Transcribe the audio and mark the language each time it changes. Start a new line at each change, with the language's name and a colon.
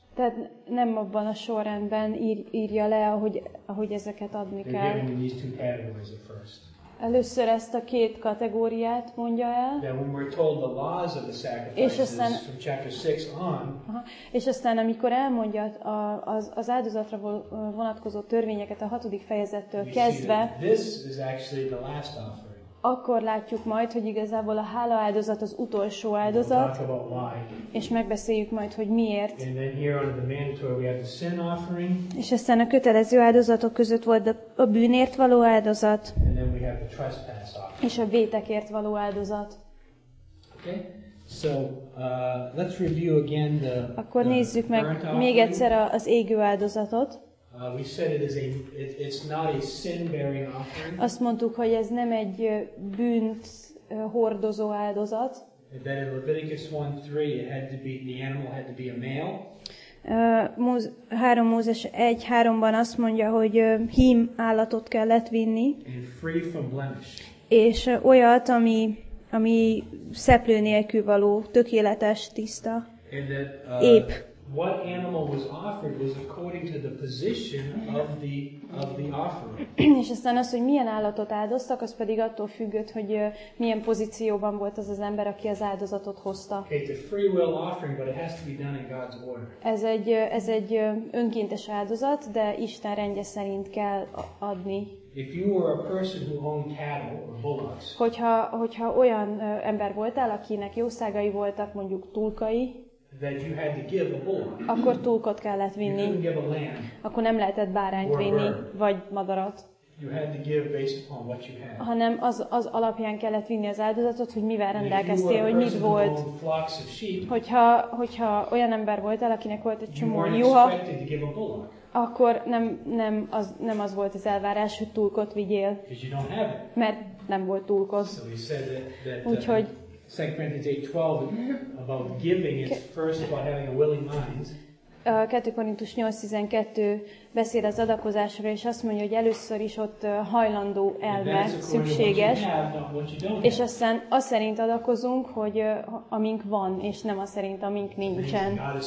Hungarian: Tehát nem abban a sorrendben írja le, ahogy ezeket adni kell.
English: They're given in these two categories at first.
Hungarian: Először ezt a két kategóriát mondja el.
English: Then when we're told the laws of the sacrifices from chapter 6 on.
Hungarian: És aztán amikor elmondja az áldozatra vonatkozó törvényeket a 6. fejezettől kezdve.
English: This is actually the last offering.
Hungarian: Akkor látjuk majd, hogy igazából a hála áldozat az utolsó áldozat. És megbeszéljük majd, hogy miért.
English: And then here under the mandatory we have the sin offering.
Hungarian: És aztán a kötelező áldozatok között volt a bűnért való áldozat.
English: And then we have the trespass offering.
Hungarian: És a vétekért való áldozat.
English: Okay. So, let's review again the
Hungarian: akkor nézzük
English: the
Hungarian: meg még egyszer az égő áldozatot.
English: We said it is a it's not a sin-bearing offering.
Hungarian: Azt mondtuk, hogy ez nem egy bűnt hordozó áldozat.
English: Then in Leviticus 1:3 it had to be the animal had to be a male.
Hungarian: 3 Mózes 1:3-ban azt mondja, hogy hím állatot kellett vinni.
English: And free from blemish.
Hungarian: És olyat, ami szeplő nélkül való, tökéletes, tiszta.
English: And that,
Hungarian: épp.
English: What animal was offered was according to the position of the offerer.
Hungarian: És aztán az, hogy milyen állatot áldoztak, az pedig attól függött, hogy milyen pozícióban volt az az ember, aki az áldozatot hozta.
English: Okay, it's a free will offering, but it has to be done in God's order.
Hungarian: Ez egy önkéntes áldozat, de Isten rendje szerint kell adni.
English: If you were a person who owned cattle or bullocks.
Hungarian: Hogyha olyan ember voltál, akinek jószágai voltak, mondjuk tulkai.
English: That you had to give a bull.
Hungarian: Akkor tulkot kellett vinni.
English: You couldn't give a lamb.
Hungarian: Akkor nem lehetett bárányt vinni, vagy madarat.
English: You had to give based upon what you had.
Hungarian: Hanem az alapján kellett vinni az áldozatot, hogy mivel rendelkeztél, hogy mit volt. Hogyha olyan ember voltál, akinek volt egy csomó juha, akkor nem az volt az elvárás, hogy tulkot vigyél.
English: You don't have it.
Hungarian: Mert nem volt tulkod. Úgyhogy
English: 2 Corinthians 8:12 about giving is first about having a willing mind.
Hungarian: 2 Korintus 8:12 beszél az adakozásról, és azt mondja, hogy először is ott hajlandó elme szükséges. És aztán az szerint adakozunk, hogy amink van, és nem az szerint, amink nincsen.